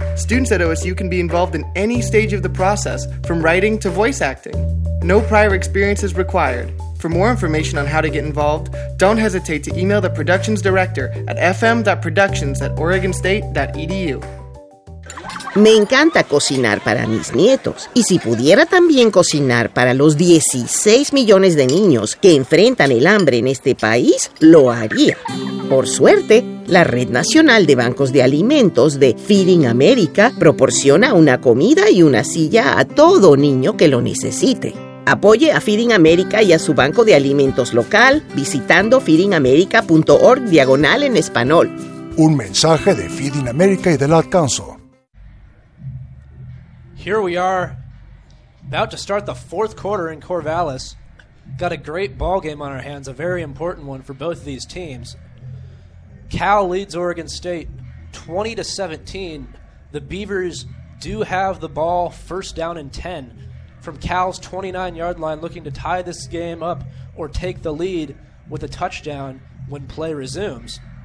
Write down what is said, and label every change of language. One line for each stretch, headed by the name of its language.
English: Students at OSU can be involved in any stage of the process, from writing to voice acting. No prior experience is required. For more information on how to get involved, don't hesitate to email the productions director at fm.productions@oregonstate.edu.
Spanish: Me encanta cocinar para mis nietos. Y si pudiera también cocinar para los 16 millones de niños que enfrentan el hambre en este país, lo haría. Por suerte, la Red Nacional de Bancos de Alimentos de Feeding America proporciona una comida y una silla a todo niño que lo necesite. Apoye a Feeding America y a su banco de alimentos local visitando feedingamerica.org/en español. Un mensaje de Feeding America y del Ad Council.
English: Here we are, about to start the fourth quarter in Corvallis. Got a great ball game on our hands, a very important one for both of these teams. Cal leads Oregon State 20-17. The Beavers do have the ball first down and 10 from Cal's 29-yard line, looking to tie this game up or take the lead with a touchdown when play resumes.